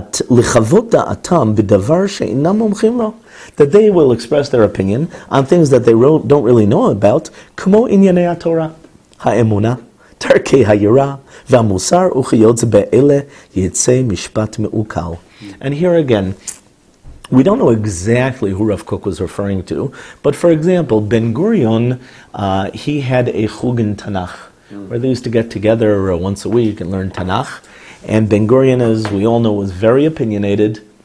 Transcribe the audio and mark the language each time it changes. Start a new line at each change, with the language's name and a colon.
Hebrew: לחוות דעתם בדבר שאינם מומחים לו,
English: that they will express their opinion on things that they don't really know about,
Hebrew: כמו ענייני התורה, האמונה, דרכי היראה, והמוסר וחיות באלה יצא משפט מעוקל.
English: And here again, we don't know exactly who Rav Kook was referring to, but for example, Ben Gurion, he had a chug in Tanakh. where they used to get together once a week and learn Tanakh. And Ben-Gurion, as we all know, was very opinionated.